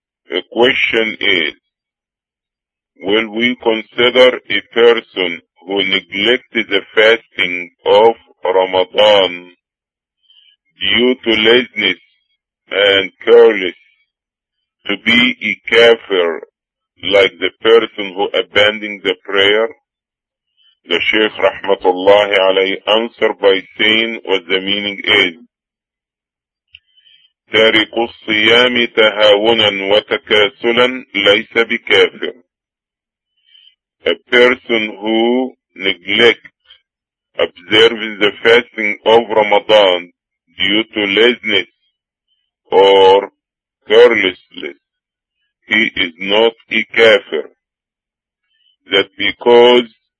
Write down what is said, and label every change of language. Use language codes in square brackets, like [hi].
[en] The question is, will we consider a person who neglected the fasting of Ramadan due to laziness and carelessness to be a kafir like the person who abandoned the prayer? The Shaykh rahmatullahi alayhi answered by saying what the meaning is. [ar] تارك الصيام تهاونا وتكاسلا ليس بكافر. [en] A person who neglects observing the fasting of Ramadan due to laziness or carelessness, he is not a kafir. That because